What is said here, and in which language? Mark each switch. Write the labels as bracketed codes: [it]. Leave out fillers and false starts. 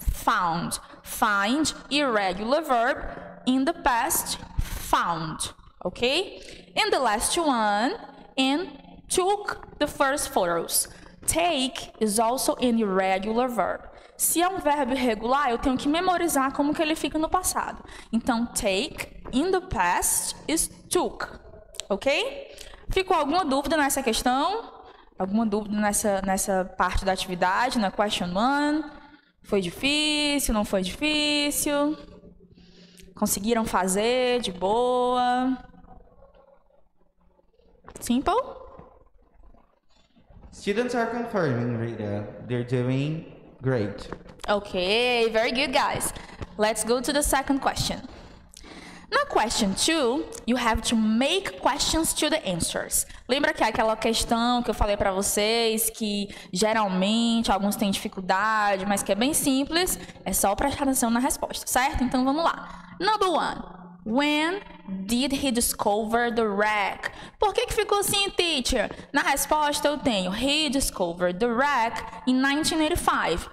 [en] Found, find, irregular verb, in the past, found, ok? And the last one, in took the first photos. Take is also an irregular verb. [pt] Se é um verbo irregular, eu tenho que memorizar como que ele fica no passado. [en] Então, take in the past is took. Ok? [pt] Ficou alguma dúvida nessa questão? Alguma dúvida nessa parte da atividade, na question one? Foi difícil? Não foi difícil? Conseguiram fazer de boa? [en] Simple? Students are confirming, Rita. They're doing great. Okay, very good, guys. Let's go to the second question. Na question 2, you have to make questions to the answers. [pt] Lembra que é aquela questão que eu falei para vocês que geralmente alguns têm dificuldade, mas que é bem simples, é só prestar atenção na resposta, certo? Então vamos lá. [en] Number 1. When did he discover the wreck? [pt] Por que que ficou assim, teacher? Na resposta eu tenho [en] he discovered the wreck in 1985.